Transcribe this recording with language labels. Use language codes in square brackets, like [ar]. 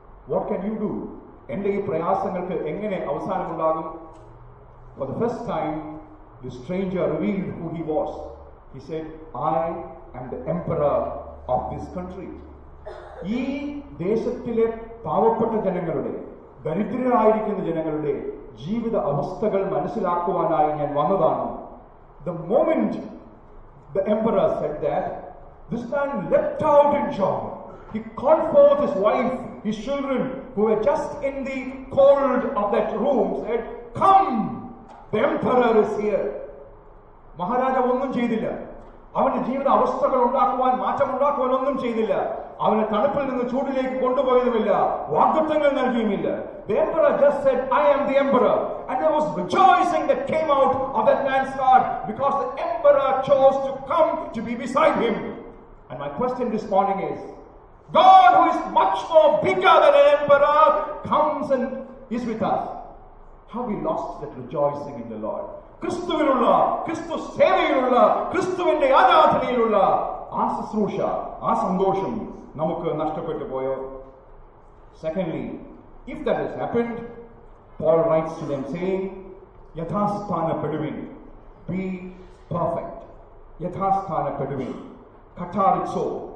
[en] what can you do [ml] എന്റെ ഈ പ്രയാസങ്ങൾക്ക് എങ്ങനെ അവസാനമുണ്ടാകും [en] for the first time the stranger revealed who he was he said I am the emperor of this country [ml] ഈ ദേശത്തിലെ പാവപ്പെട്ട ജനങ്ങളുടെ ദരിദ്രരായിരിക്കുന്ന ജനങ്ങളുടെ ജീവിത അവസ്ഥകൾ മനസ്സിലാക്കുവാനായി ഞാൻ വന്നതാണ് [en] The moment the emperor said that, this man leapt out in joy. He called forth his wife, his children, who were just in the cold of that room, said, Come, the emperor is here. [ml] Maharaja ഒന്നും ചെയ്തില്ല. അവന്റെ ജീവിത അവസ്ഥകൾ ഉണ്ടാക്കുവാൻ മാറ്റം ഉണ്ടാക്കുവാൻ ഒന്നും ചെയ്തില്ല. അവനെ തണുപ്പിൽ നിന്ന് ചൂടിലേക്ക് കൊണ്ടുപോയതുമില്ല. വാഗ്ദത്തങ്ങൾ നൽകിയുമില്ല. [en] The emperor just said, I am the emperor. And there was rejoicing that came out of that man's heart because the emperor chose to come to be beside him. And my question this morning is, God who is much more bigger than an emperor comes and is with us. How we lost that rejoicing in the Lord. [ml] ക്രിസ്തുവിലുള്ള ക്രിസ്തു സേവയിലുള്ള ക്രിസ്തുവിന്റെ ആരാധനയിലുള്ള ആ ശുശ്രൂഷ ആ സന്തോഷം നമുക്ക് നഷ്ടപ്പെട്ടു പോയോ [en] secondly if that has happened Paul writes to them saying [ml] യഥാസ്ഥാനപ്പെടുവിൻ [en] be perfect [ml] യഥാസ്ഥാനപ്പെടുവിൻ കഠാരിച്ചോ